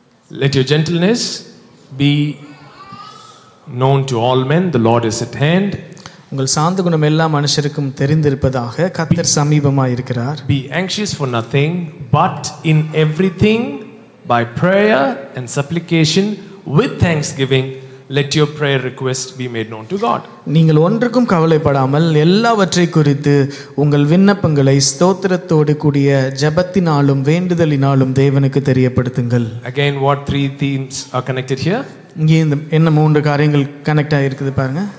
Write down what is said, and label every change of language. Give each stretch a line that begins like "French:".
English: Let your gentleness be known to all men. The Lord is at hand.
Tamil: உங்கள் சாந்த குணம் எல்லா மனுஷருக்கும் தெரிந்திருப்பதாக, கர்த்தர் சமீபமாய் இருக்கிறார்.
English: Be anxious for nothing, but in everything by prayer and supplication with thanksgiving, let your prayer request be made known to God.
Tamil: நீங்கள் ஒன்றுக்கும் கவலைப்படாமல் எல்லாவற்றை குறித்து உங்கள் விண்ணப்பங்களை ஸ்தோத்திரத்தோடு கூடிய ஜெபத்தினாலும் வேண்டுதலினாலும் தேவனுக்கு தெரியப்படுத்துங்கள்.
English: Again, what three themes are connected here?
Tamil: இங்கே என்ன மூன்று காரியங்கள் கனெக்ட் ஆயிருக்குது பாருங்க.